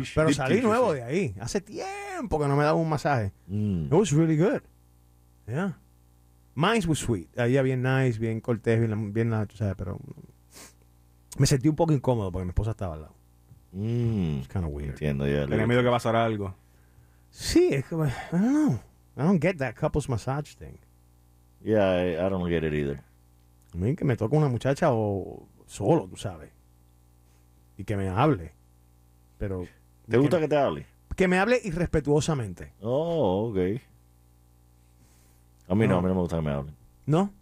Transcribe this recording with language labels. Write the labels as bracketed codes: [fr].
[es] Pero deep salí tissue, nuevo sí. De ahí. Hace tiempo que no me daba un masaje. [en] It was really good. Yeah. Mine was sweet. [es] Ahí bien nice, bien cortés, bien nada, tú sabes, pero... Me sentí un poco incómodo porque mi esposa estaba al lado. [en] It's kind of weird. [es] Entiendo, ya. Tenía miedo que pasara algo. Sí, es como... [en] I don't know. I don't get that couples massage thing. Yeah, I don't get it either. [es] A mí que me toque una muchacha o solo, tú sabes. Y que me hable. Pero... ¿Te gusta que te hable? Que me hable irrespetuosamente. Oh, ok. A mí no me gusta que me hablen. ¿No?